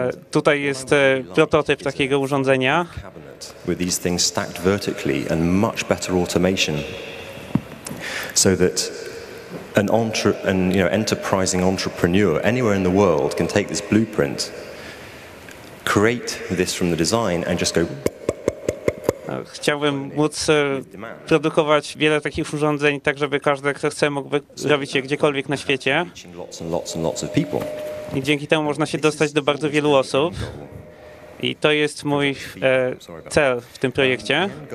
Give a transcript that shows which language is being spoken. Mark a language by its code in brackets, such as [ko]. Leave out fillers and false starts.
[pl] Tutaj jest prototyp takiego urządzenia. [en] With these things stacked vertically and much better automation, so that enterprising entrepreneur anywhere in the world can take this blueprint, create this from the design, and just go. [pl] Chciałbym móc produkować wiele takich urządzeń tak, żeby każdy, kto chce, mógł zrobić je gdziekolwiek na świecie. I dzięki temu można się dostać do bardzo wielu osób. I to jest mój cel w tym projekcie.